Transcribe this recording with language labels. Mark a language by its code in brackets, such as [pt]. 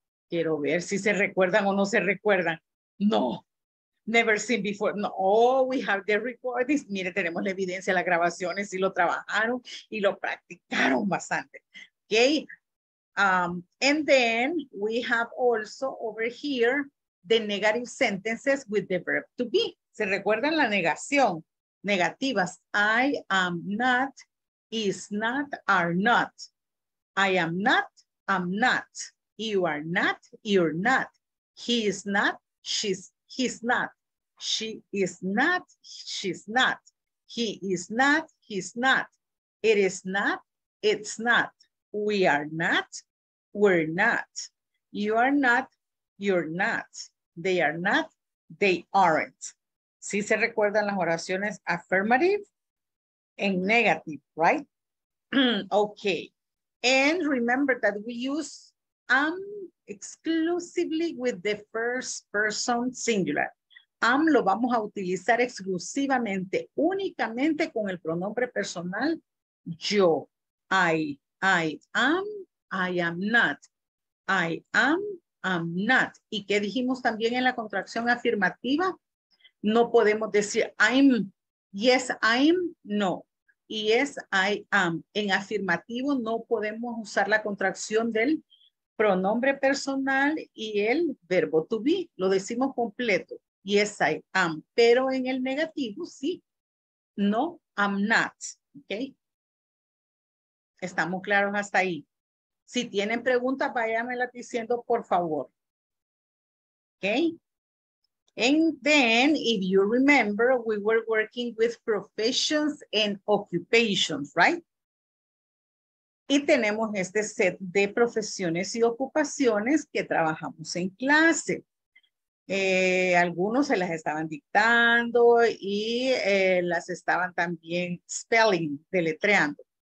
[es] Quiero ver si se recuerdan o no se recuerdan. No. [en] Never seen before. [es] No, [en] oh, we have the recordings. [es] Mire, tenemos la evidencia, las grabaciones, y lo trabajaron y lo practicaron bastante. [en] Okay. And then we have also over here the negative sentences with the verb to be. [es] ¿Se recuerdan la negación? Negativas. [en] I am not, is not, are not. I am not, I'm not. You are not, you're not. He is not, he's not. She is not, she's not. He is not, he's not. It is not, it's not. We are not, we're not. You are not, you're not. They are not, they aren't. [es] ¿Sí se recuerdan las oraciones [en] affirmative and negative, right? Okay. And remember that we use exclusively with the first person singular. [es] Am lo vamos a utilizar exclusivamente, únicamente con el pronombre personal yo. [en] I am, I am not. I am, I'm not. [es] ¿Y qué dijimos también en la contracción afirmativa? No podemos decir [en] I'm, yes, I'm, no. Yes, I am. [es] En afirmativo no podemos usar la contracción del pronombre personal y el verbo to be. Lo decimos completo. [en] Yes, I am. [es] Pero en el negativo, sí. [en] No, I'm not. Okay. [es] Estamos claros hasta ahí. Si tienen preguntas, váyanmela diciendo, por favor. Okay. [en] And then, if you remember, we were working with professions and occupations, right? [es] Y tenemos este set de profesiones y ocupaciones que trabajamos en clase. Algunos se las estaban dictando y las estaban también spelling, deletreando.